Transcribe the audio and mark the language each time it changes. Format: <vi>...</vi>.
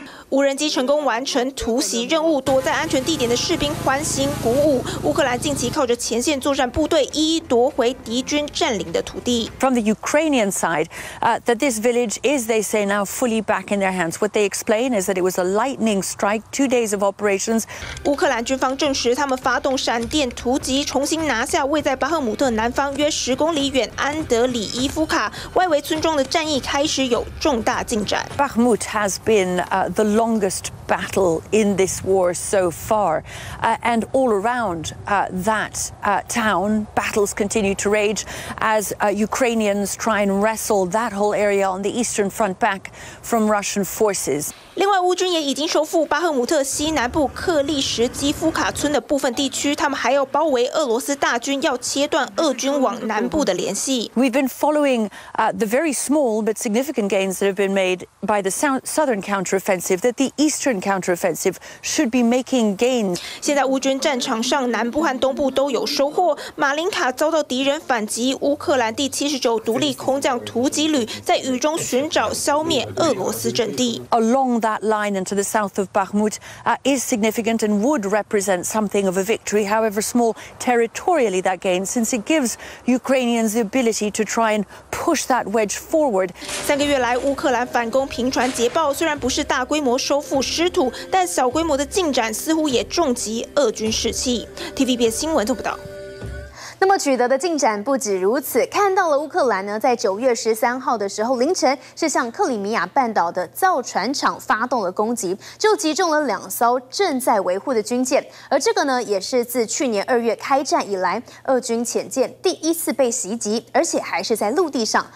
<zh>无人机成功完成突袭任务，躲在安全地点的士兵欢欣鼓舞。乌克兰近期靠着前线作战部队一一夺回敌军占领的土地。</zh> <en>From the Ukrainian side, that this village is, they say, now fully back in their hands. What they explain is that it was a lightning strike, 2 days of operations.</en> <zh>乌克兰军方证实，他们发动闪电突击，重新拿下位在巴赫姆特南方约10公里远安德里伊夫卡外围村庄的战役开始有重大进展。</zh> <en>Bakhmut has been the longest battle in this war so far, and all around that town, battles continue to rage as Ukrainians try and wrestle that whole area on the eastern front back from Russian forces.</en> <zh>另外，乌军也已经收复巴赫姆特西南部克利什基夫卡村的部分地区，他们还要包围俄罗斯大军，要切断俄军往南部的联系。</zh> <en>We've been following the very small but significant gains that have been made by the southern counteroffensive. That the eastern counteroffensive should be making gains.</en> <zh>现在乌军战场上南部和东部都有收获。马林卡遭到敌人反击，乌克兰第79独立空降突击旅在雨中寻找消灭俄罗斯阵地。</zh> <en>Along that line into the south of Bakhmut is significant and would represent something of a victory, however small territorially that gain, since it gives Ukrainians the ability to try and push that wedge forward.</en> <zh>三个月来，乌克兰反攻频传捷报，虽然不是大规模收复失土，但小规模的进展似乎也重击俄军士气。 TVBS 新闻做不到。那么取得的进展不止如此，看到了乌克兰呢，在9月13号的时候凌晨是向克里米亚半岛的造船厂发动了攻击，就击中了2艘正在维护的军舰，而这个呢也是自去年2月开战以来俄军潜舰第一次被袭击，而且还是在陆地上。</zh>